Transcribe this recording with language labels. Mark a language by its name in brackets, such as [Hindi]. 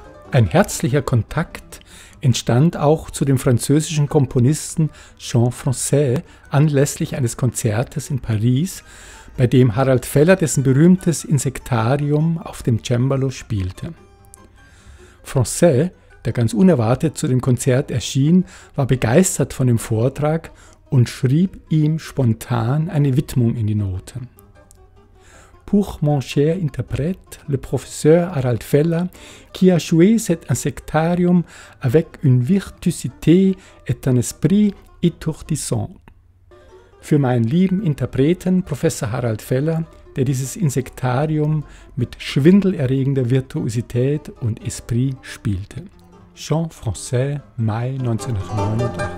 [German] Ein herzlicher Kontakt entstand auch zu dem französischen Komponisten Jean Francais anlässlich eines Konzertes in Paris, bei dem Harald Feller dessen berühmtes Insektarium auf dem Cembalo spielte. Francais, der ganz unerwartet zu dem Konzert erschien, war begeistert von dem Vortrag und schrieb ihm spontan eine Widmung in die Noten. [French] Pour mon cher interprète, le professeur Harald Feller, qui a joué cet insectarium avec une virtuosité et un esprit étourdissant. [German] Für meinen lieben Interpreten, Professor Harald Feller, der dieses Insektarium mit schwindelerregender Virtuosität und Esprit spielte. Jean Francais, Mai 1989.